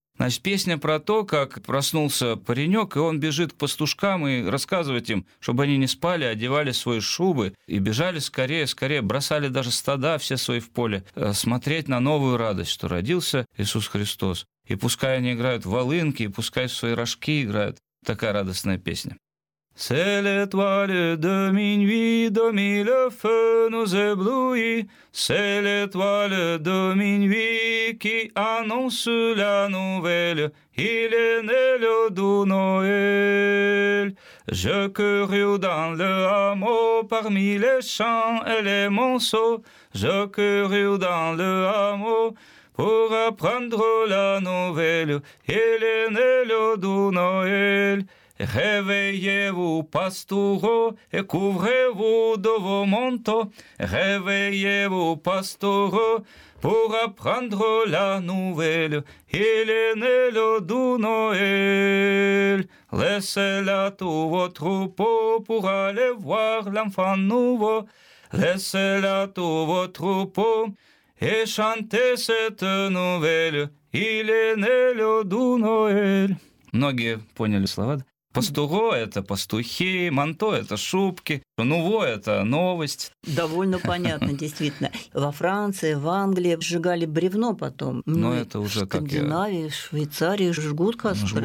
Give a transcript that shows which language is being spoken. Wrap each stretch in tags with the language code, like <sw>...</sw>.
<ru>Значит, песня про то, как проснулся паренек, и он бежит к пастушкам и рассказывает им, чтобы они не спали, одевали свои шубы и бежали скорее, скорее, бросали даже стада все свои в поле, смотреть на новую радость, что родился Иисус Христос. И пускай они играют в волынки, и пускай в свои рожки играют. Такая радостная песня.</ru> <fr>C'est l'étoile de minuit, domine le feu, nous éblouit. C'est l'étoile de minuit qui annonce la nouvelle. Il est né le doux Noël. Je courus dans le hameau parmi les champs et les monceaux. Je courus dans le hameau pour apprendre la nouvelle. Il est né le doux Noël. Réveillez-vous, pastoureau, et couvrez-vous de vos manteaux. Réveillez-vous, pastoureau, pour apprendre la nouvelle. Il est né le doux Noël. Laissez là tous vos troupeaux pour aller voir l'enfant nouveau. Laissez là tous vos troupeaux et chantez cette nouvelle. Il est né le doux Noël.</fr> <ru>Многие поняли слова. Пастуго – это пастухи, манто – это шубки, нуво – это новость. Довольно понятно, действительно. Во Франции, в Англии сжигали бревно потом. Но это уже в Скандинавии, в Швейцарии жгут костры.</ru>